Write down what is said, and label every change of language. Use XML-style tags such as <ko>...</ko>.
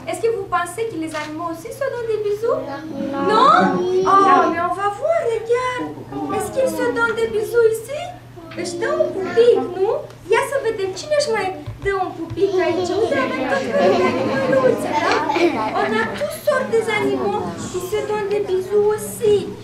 <fr>Est-ce que vous pensez que les animaux aussi se donnent des bisous? Non! Non? Oh, mais on va voir, regarde! Est-ce qu'ils se donnent des bisous ici?</fr> <ro>Își dă un pupic, nu? Ia să vedem cine își mai dă un pupic aici. Unde avem tot felul de animăluțe, da?</ro> <fr>On a tous sortes des animaux qui se donnent des bisous aussi.</fr>